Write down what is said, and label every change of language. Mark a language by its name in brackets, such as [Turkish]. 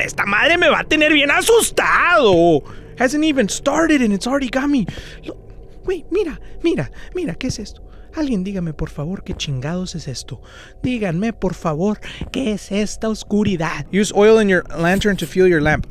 [Spanish] Esta madre me va a tener bien asustado. [English] Hasn't even started and it's already got me. Look, wait, [Spanish] mira, ¿qué es esto? Alguien dígame, por favor, ¿qué chingados es esto? Díganme, por favor, ¿qué es esta oscuridad? [English] Use oil in your lantern to fuel your lamp.